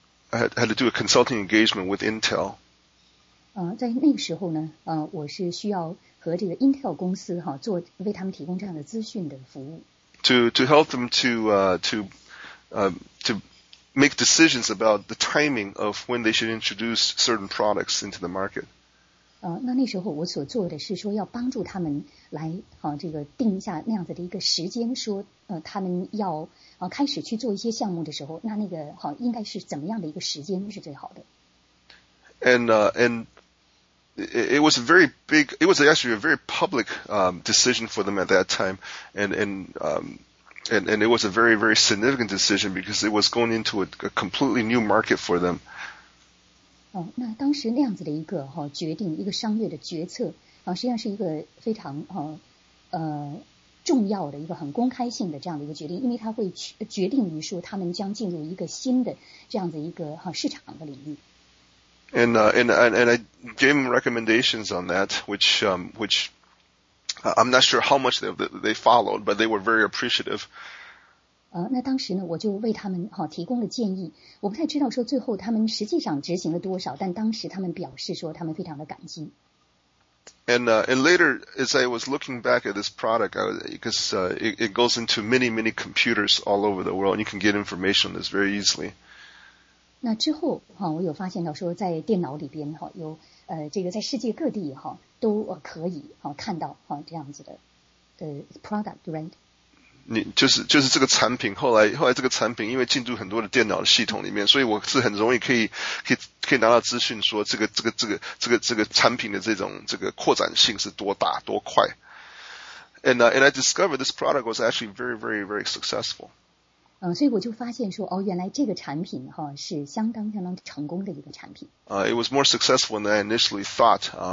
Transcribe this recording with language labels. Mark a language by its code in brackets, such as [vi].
[en] I had to do a consulting engagement with Intel. [zh] 在那个时候呢，我是需要和这个 Intel 公司哈做为他们提供这样的资讯的服务。 [en] To help them to make decisions about the timing of when they should introduce certain products into the market. [zh] 那时候我所做的是说要帮助他们来这个定一下那样子的一个时间，说他们要开始去做一些项目的时候，那个应该是怎么样的一个时间是最好的。 [en] And it was a very big, it was actually a very public decision for them at that time, and it was a very very significant decision because it was going into a completely new market for them. [zh] 那当时那样子的一个决定，一个商业的决策实际上是一个非常重要的一个很公开性的这样的一个决定，因为它会决定于说他们将进入一个新的这样子一个市场的领域。 [en] And I gave them recommendations on that, which I'm not sure how much they followed, but they were very appreciative. [zh] 那当时呢，我就为他们提供了建议。我不太知道说最后他们实际上执行了多少，但当时他们表示说他们非常的感激。 [en] And later, as I was looking back at this product, because it goes into many many computers all over the world, and you can get information on this very easily. [zh] 那之后我有发现到说在电脑里边有这个在世界各地都可以看到这样子的 [en] product, right? [zh] 就是这个产品，后来这个产品因为进入很多的电脑的系统里面，所以我是很容易可以拿到资讯，说这个产品的这个扩展性是多大多快。 [en] And I discovered this product was actually very very very successful. [zh] 所以我就发现说原来这个产品是相当相当成功的一个产品。 [en] It was more successful than I initially thought.